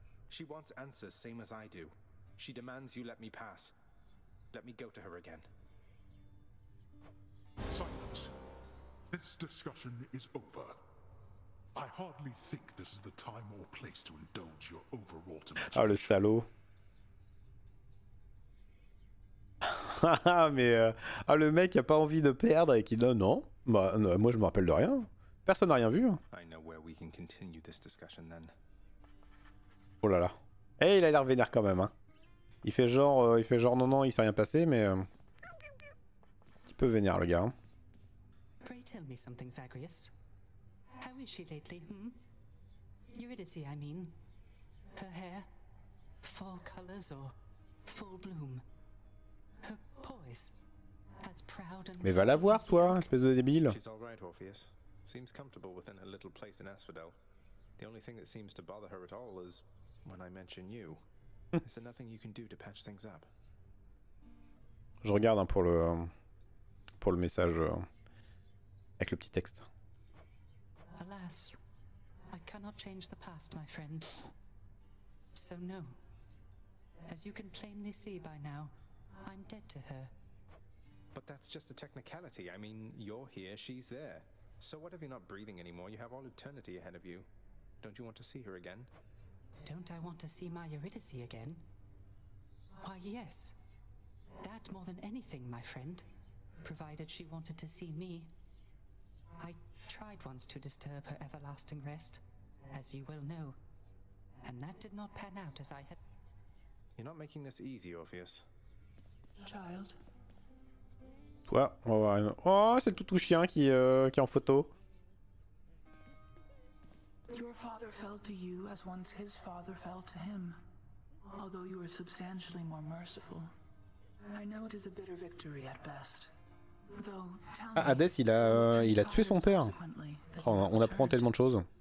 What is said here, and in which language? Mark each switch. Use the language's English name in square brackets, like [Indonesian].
[English] She wants answers, same as I do. She demands you let me pass. Let me go to her again. Silence. This discussion is over. I hardly think this is the time or place to indulge your overwrought imagination. [French] Ah, le salaud. Ah, le mec a pas envie de perdre et qui dit non. Bah, moi, je me rappelle de rien. Personne n'a rien vu. [English] I know where we can continue this discussion then. [French] Oh là là. Eh, il a l'air vénère quand même. Hein. Il fait genre non, il s'est rien passé, mais... Il peut vénère, le gars. [English] Pray tell me something, Zagreus. How is she lately, hmm? Eurydice, I mean. Her hair? Fall colors or full bloom? Her poise? As proud and... [French] Mais va la voir, toi, espèce de débile. [English] She's all right, Orpheus. Seems comfortable within her little place in Asphodel. The only thing that seems to bother her at all is when I mention you. Is there nothing you can do to patch things up? [French] Je regarde hein, pour le message avec le petit texte. [English] Alas, I cannot change the past, my friend. So no. As you can plainly see by now, I'm dead to her. But that's just a technicality. I mean, you're here, she's there. So what if you're not breathing anymore? You have all eternity ahead of you. Don't you want to see her again? Don't I want to see my Eurydice again? Why, yes. That more than anything, my friend. Provided she wanted to see me. I tried once to disturb her everlasting rest, as you well know. And that did not pan out as I had... You're not making this easy, Orpheus. Child. [French] Toi, on va voir. Oh, c'est le toutou chien qui est en photo. [English] Your father fell to you as once his father fell to him. Although you are substantially more merciful. I know it is a bitter victory at best. Though, tell me, [French] ah, Hades, il a tué son père. Oh, on apprend tellement de choses.